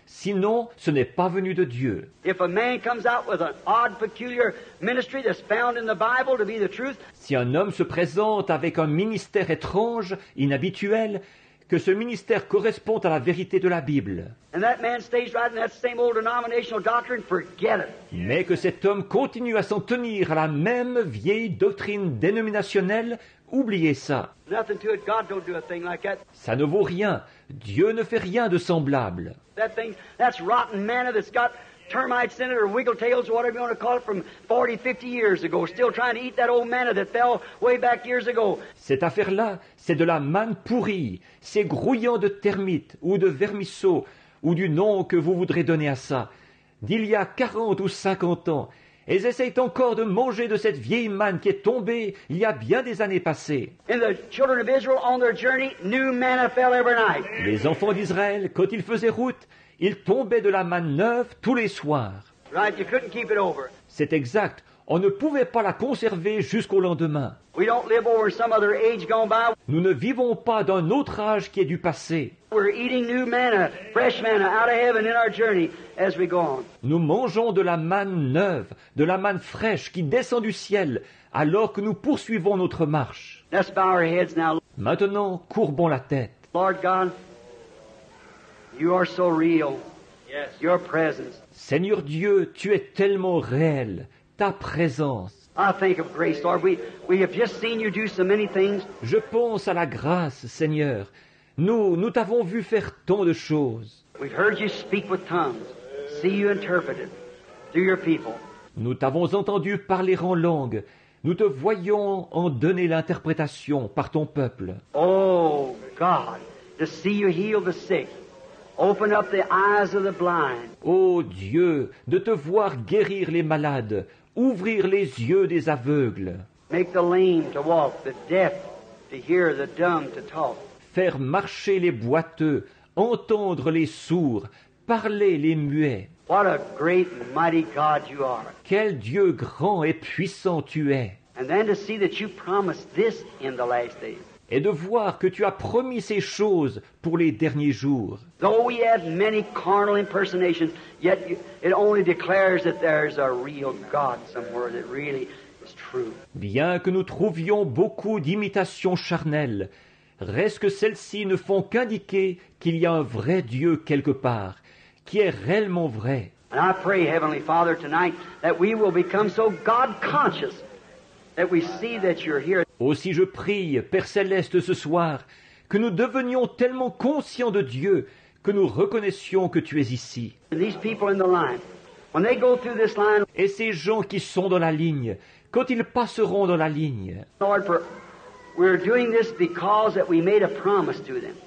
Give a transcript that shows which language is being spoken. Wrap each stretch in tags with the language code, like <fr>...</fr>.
<fr>Sinon, ce n'est pas venu de Dieu.</fr> <en>If a man comes out with an odd, peculiar ministry that's found in the Bible to be the truth.</en> <fr>Si un homme se présente avec un ministère étrange, inhabituel, que ce ministère corresponde à la vérité de la Bible.</fr> <en>And that man stays right in that same old denominational doctrine. Forget it.</en> <fr>Mais que cet homme continue à s'en tenir à la même vieille doctrine dénominationnelle. Oubliez ça.</fr> <en>Nothing to it. God don't do a thing like that.</en> <fr>Ça ne vaut rien. Dieu ne fait rien de semblable.</fr> <en>That thing, that's rotten manna that's got termites in it or wiggle tails or whatever you want to call it from 40, 50 years ago. Still trying to eat that old manna that fell way back years ago.</en> <fr>Cette affaire-là, c'est de la manne pourrie. C'est grouillant de termites ou de vermisseaux ou du nom que vous voudrez donner à ça. D'il y a 40 ou 50 ans. Et ils essayent encore de manger de cette vieille manne qui est tombée il y a bien des années passées.</fr> <en>And the children of Israel, on their journey, new manna fell every night.</en> <fr>Les enfants d'Israël, quand ils faisaient route, ils tombaient de la manne neuve tous les soirs.</fr> <en>Right, you couldn't keep it over.</en> <fr>C'est exact. On ne pouvait pas la conserver jusqu'au lendemain.</fr> <en>We don't live over some other age gone by.</en> <fr>Nous ne vivons pas d'un autre âge qui est du passé.</fr> <en>We're eating new manna, fresh manna, out of heaven in our journey as we go on.</en> <fr>Nous mangeons de la manne neuve, de la manne fraîche qui descend du ciel alors que nous poursuivons notre marche.</fr> <en>Let's bow our heads now.</en> <fr>Maintenant, courbons la tête.</fr> <en>Lord God, you are so real. Yes. Your presence.</en> <fr>Seigneur Dieu, tu es tellement réel. Ta présence.</fr> <en>I think of grace, Lord. We have just seen you do so many things.</en> <fr>Je pense à la grâce, Seigneur. Nous t'avons vu faire tant de choses.</fr> <en>We've heard you speak with tongues, see you interpreted through your people.</en> <fr>Nous t'avons entendu parler en langue. Nous te voyons en donner l'interprétation par ton peuple.</fr> <en>Oh God, to see you heal the sick. Open up the eyes of the blind.</en> <fr>Oh Dieu, de te voir guérir les malades, ouvrir les yeux des aveugles.</fr> <en>Make the lame to walk, the deaf to hear, the dumb to talk.</en> <fr>Faire marcher les boiteux, entendre les sourds, parler les muets.</fr> <en>What a great mighty God you are.</en> <fr>Quel Dieu grand et puissant tu es.</fr> <en>And then to see that you promised this in the last days.</en> <fr>et de voir que tu as promis ces choses pour les derniers jours.</fr> <en>Though we have many carnal impersonations, yet it only declares that there's a real God somewhere that really is true.</en> <fr>Bien que nous trouvions beaucoup d'imitations charnelles, reste que celles-ci ne font qu'indiquer qu'il y a un vrai Dieu quelque part, qui est réellement vrai.</fr> <en>And I pray, Heavenly Father, tonight that we will become so God-conscious that we see that you're here.</en> <fr>Aussi je prie, Père Céleste, ce soir, que nous devenions tellement conscients de Dieu que nous reconnaissions que tu es ici.</fr> <en>And these people in the line, when they go through this line,</en> <fr>et ces gens qui sont dans la ligne, quand ils passeront dans la ligne,</fr> <en>Lord, we're doing this because that we made a promise to them.</en>